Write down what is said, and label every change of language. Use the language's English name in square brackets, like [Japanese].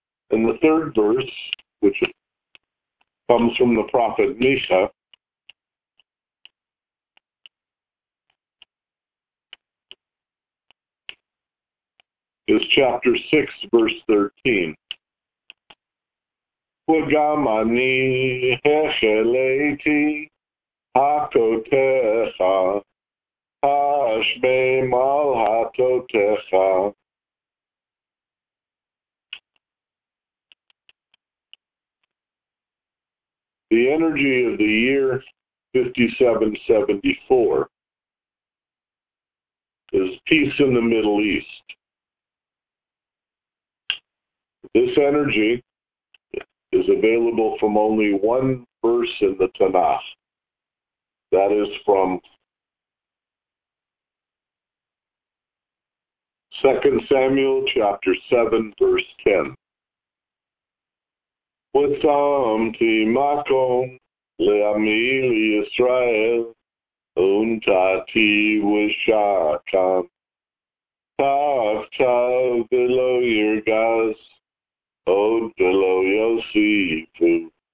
[English] In the third verse, which comes from the prophet Misha, is chapter 6, verse 13. [Hebrew] וגם אני החליתי הכותך, השבים על התותך. [English] The energy of the year 5774 is peace in the Middle East. This energy is available from only one verse in the Tanakh. That is from 2 Samuel chapter 7, verse 10. [Hebrew] ושמתי מקום לעמי לישראל, ונתתי ושכן. תחת ולא ירגז, עוד ולא יוסיפו.